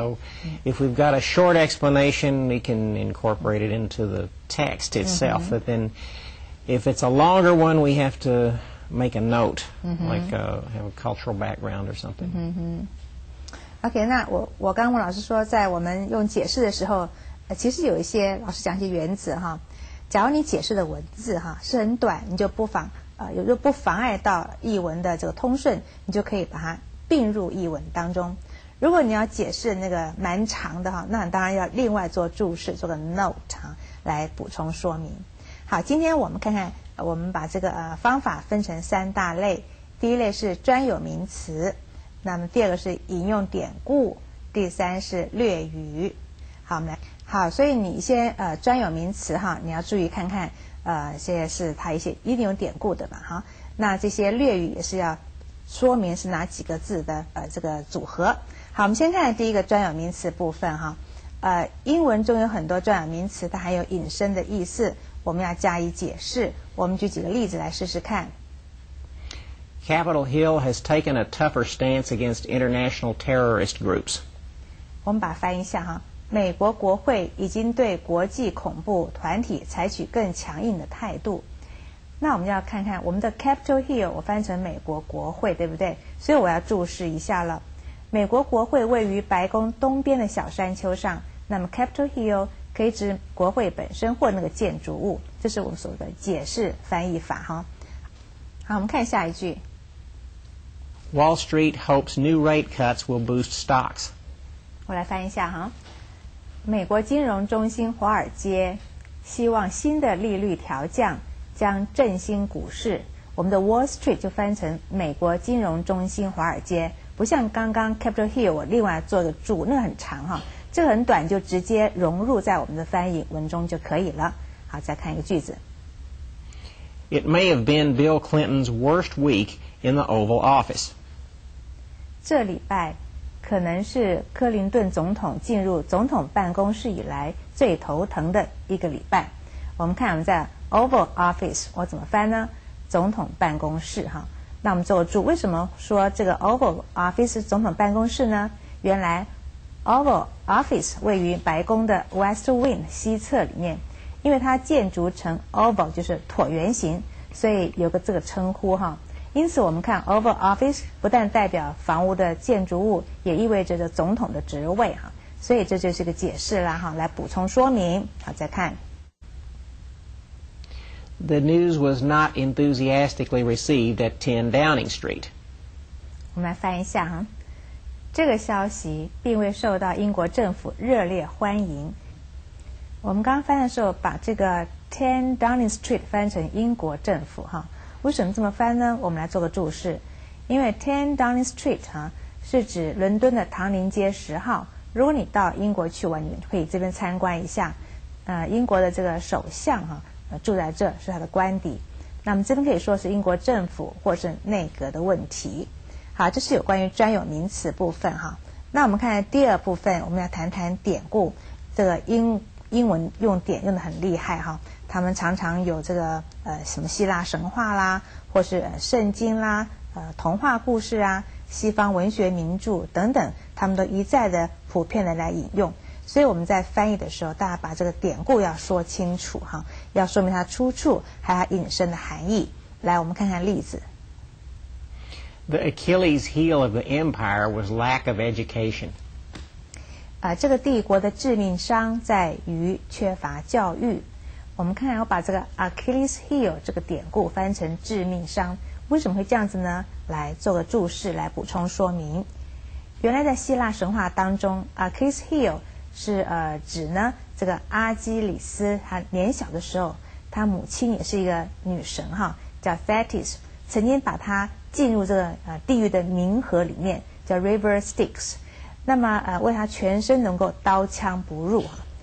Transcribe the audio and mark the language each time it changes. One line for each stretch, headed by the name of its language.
English: So if we've got a short explanation, we can incorporate it into the text itself. Mm-hmm. But then if it's a longer one, we have to make a note, mm-hmm. like have a cultural background or something. Mm-hmm.
Chinese: Okay, 那我刚问老师说，在我们用解释的时候，其实有一些老师讲一些原则哈。假如你解释的文字哈是很短，你就不妨。有时候不妨碍到译文的这个通顺，你就可以把它并入译文当中。如果你要解释那个蛮长的哈，那当然要另外做注释，做个 note 哈，来补充说明。好，今天我们看看，我们把这个方法分成三大类。第一类是专有名词，那么第二个是引用典故，第三是略语。好，我们来好，所以你先专有名词哈，你要注意看看。这些是它一些一定有典故的嘛，哈。那这些略语也是要说明是哪几个字的这个组合。好，我们先看第一个专有名词部分哈。英文中有很多专有名词，它含有引申的意思，我们要加以解释。我们举几个例子来试试看。
English: Capitol Hill has taken a tougher stance against international terrorist groups.
Chinese: 我们把翻译一下哈，美国国会已经对国际恐怖团体采取更强硬的态度。那我们要看看我们的 Capitol Hill， 我翻成美国国会，对不对？所以我要注释一下了。美国国会位于白宫东边的小山丘上，那么 Capitol Hill 可以指国会本身或那个建筑物，这是我们所谓的解释翻译法哈。好，我们看下一句。
English: Wall Street hopes new rate cuts will boost stocks.
Chinese: 我来翻一下哈。美国金融中心华尔街希望新的利率调降将振兴股市。我们的 Wall Street 就翻成美国金融中心华尔街，不像刚刚 Capitol Hill 我另外做的注，那个很长哈，这个很短，就直接融入在我们的翻译文中就可以了。好，再看一个句子。
English: It may have been Bill Clinton's worst week in the Oval Office.
Chinese: 这礼拜可能是克林顿总统进入总统办公室以来最头疼的一个礼拜。我们看我们在 Oval Office， 我怎么翻呢？总统办公室哈。那我们做个注，为什么说这个 Oval Office 总统办公室呢？原来 Oval Office 位于白宫的 West Wing 西侧里面，因为它建筑成 oval 就是椭圆形，所以有个这个称呼哈。因此我们看 Oval Office 不但代表房屋的建筑物，也意味着总统的职位哈。所以这就是个解释啦哈，来补充说明。好，再看。
English: The news was not enthusiastically received at 10 Downing Street.
Chinese: 我们来翻一下哈，这个消息并未受到英国政府热烈欢迎。我们刚翻的时候把这个 10 Downing Street 翻成英国政府哈，为什么这么翻呢？我们来做个注释，因为 10 Downing Street 哈是指伦敦的唐宁街十号，如果你到英国去玩，你可以这边参观一下，英国的这个首相哈住在这，是他的官邸，那么这边可以说是英国政府或是内阁的问题。好，这是有关于专有名词部分哈。那我们看第二部分，我们要谈谈典故，这个英文用典用得很厉害哈，他们常常有这个什么希腊神话啦，或是圣经啦，童话故事啊，西方文学名著等等，他们都一再的普遍的来引用。所以我们在翻译的时候，大家把这个典故要说清楚哈，要说明它出处，还有它引申的含义。来，我们看看例子。
English: The Achilles heel of the empire was lack of education.
Chinese: 这个帝国的致命伤在于缺乏教育。我们看看，我把这个 Achilles heel 这个典故翻成致命伤，为什么会这样子呢？来做个注释，来补充说明。原来在希腊神话当中 ，Achilles heel 是指呢这个阿基里斯，他年小的时候，他母亲也是一个女神哈，叫 Thetis， 曾经把他进入这个地狱的冥河里面，叫 River Styx， 那么为他全身能够刀枪不入哈。